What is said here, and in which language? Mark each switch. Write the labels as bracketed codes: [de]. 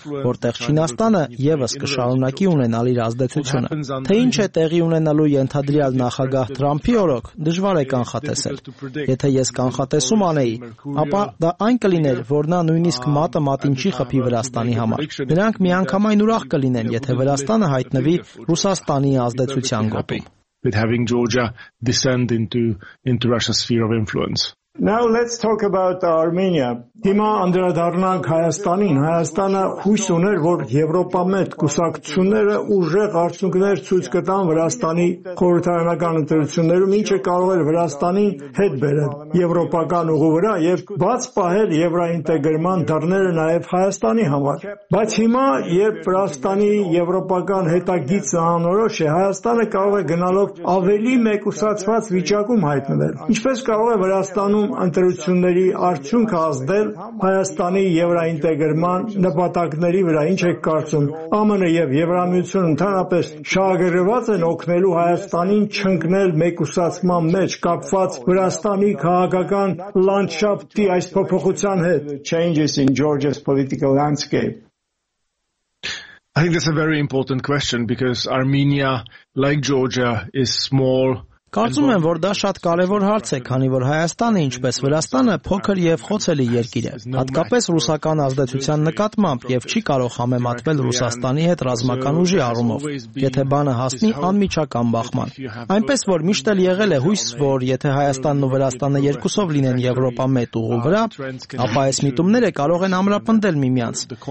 [hy] որտեղ Չինաստանը եւս կշարունակի ունենալ իր ազդեցությունը։ Թե ինչ է տեղի ունենալու ենթադրյալ նախագահ Թրամփի օրոք, դժվար է կանխատեսել։ Եթե ես կանխատեսում անեի, ապա դա այն կլիներ, որ նա նույնիսկ մատը մատին չի խփի Վրաստանի համար։ Նրանք միանգամայն ուրախ կլինեն, եթե Վրաստանը հայտնվի Ռուսաստանի ազդեցության գոտում։ [en] With having Georgia descend into Russia's sphere of influence. Now let's talk about Armenia. [hy] Հիմա անդրադառնանք Հայաստանին։ Հայաստանը հույս ուներ, որ Եվրոպամետ կուսակցությունները ուժեղ արդյունքներ ցույց կտան Վրաստանի խորհրդարանական ընտրություններում, ինչը կարող էր Վրաստանի հետ բերել եվրոպական ուղու վրա եւ բաց պահել եվրոինտեգրման դռները նաեւ Հայաստանի համար։ Բայց հիմա, երբ Վրաստանի եվրոպական հետագիծը անորոշ է, Հայաստանը կարող է գնալով ավելի մեկուսացված վիճակում հայտնվել։ Ինչպես կարող է Վրաստանում ընտրությունների արդյունքը ձեր Հայաստանի եվրոինտեգրման նպատակների վրա ինչ է կարծում ԱՄՆ եւ Եվրամիությունը ընդհանրապես շահագրգռված են օգնելու Հայաստանին չընկնել մեկուսացման մեջ կապված Վրաստանի քաղաքական լանդշաֆտի այս փոփոխության հետ [en] changes in Georgia's political landscape I think that's a very important question because Armenia like Georgia is small [hy] Կարծում եմ, որ դա շատ կարևոր հարց է, քանի որ Հայաստանը, ինչպես Վրաստանը, փոքր եւ խոցելի երկիր է, հատկապես ռուսական ազդեցության նկատմամբ եւ չի կարող համեմատվել Ռուսաստանի հետ ռազմական ուժի առումով, եթե բանը հասնի անմիջական բախման։ Այնպես որ միշտ էլ եղել է հույս, որ եթե Հայաստանն ու Վրաստանը երկուսով լինեն Եվրոպա մեծ ուղու վրա, ապա այս միտումները կարող են ամրապնդել միմյանց,